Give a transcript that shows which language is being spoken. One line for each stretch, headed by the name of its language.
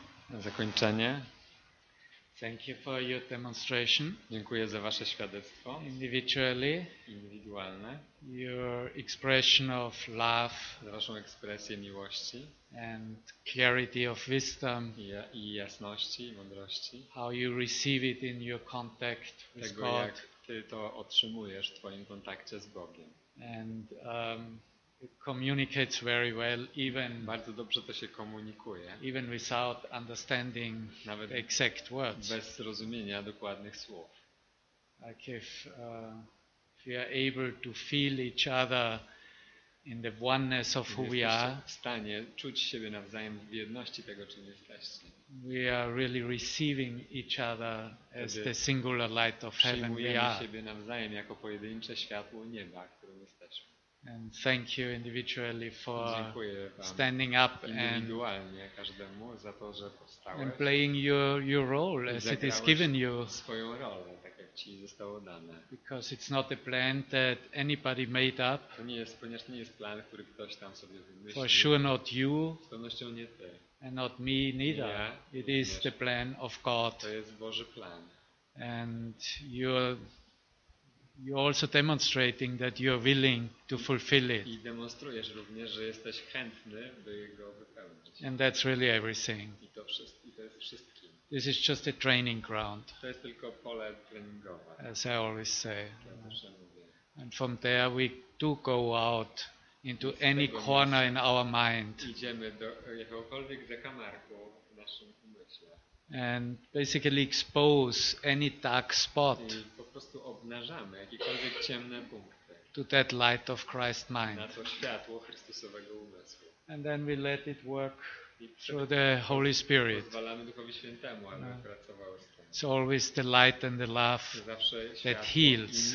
Polish: Na zakończenie.
English: Thank you for your demonstration.
Polish: Dziękuję za wasze świadectwo.
English: Individually.
Polish: Indywidualne.
English: Your expression of love.
Polish: Za waszą ekspresję miłości.
English: And clarity of wisdom.
Polish: I jasności, i mądrości.
English: How you receive it in your contact with
Polish: tego,
English: God.
Polish: Jak ty to otrzymujesz w twoim kontakcie z Bogiem.
English: And communicates very well, even
Polish: bardzo dobrze to się komunikuje,
English: even without understanding
Polish: nawet
English: the exact words,
Polish: bez zrozumienia dokładnych słów.
English: Like if we are able to feel each other in the oneness of who we are,
Polish: w stanie czuć siebie nawzajem w jedności tego, czym jesteśmy.
English: We are really receiving each other as the singular light of heaven.
Polish: Przyjmujemy siebie nawzajem jako pojedyncze światło nieba, którym jesteśmy.
English: And thank you individually for standing up
Polish: indywidualnie każdemu za to, że powstałeś.
English: And playing your role as it is given you.
Polish: Swoją rolę, tak jak ci zostało dane.
English: Because it's not a plan that anybody made up.
Polish: To nie jest, ponieważ nie jest plan, który ktoś tam sobie wymyślił.
English: For sure not you.
Polish: Z pewnością nie ty.
English: And not me neither.
Polish: Nie,
English: it is the plan of God.
Polish: To jest Boży plan.
English: And you also demonstrating that you are willing to fulfill it.
Polish: I demonstrujesz również, że jesteś chętny, by go wypełnić.
English: And that's really everything.
Polish: I to jest wszystkim.
English: This is just a training ground.
Polish: To jest tylko pole treningowe.
English: As I always say.
Polish: Ja mówię.
English: And from there we do go out into any corner in our mind.
Polish: Idziemy do jakiegokolwiek zakamarku w naszym umyśle.
English: And basically expose any dark spot.
Polish: I po prostu obnażamy jakiekolwiek ciemne punkty.
English: To that light of Christ mind.
Polish: Na to światło Chrystusowego umysłu.
English: And then we let it work through the Holy Spirit.
Polish: Pozwalamy Duchowi Świętemu, aby pracował z tym.
English: It's always the light and the love that heals.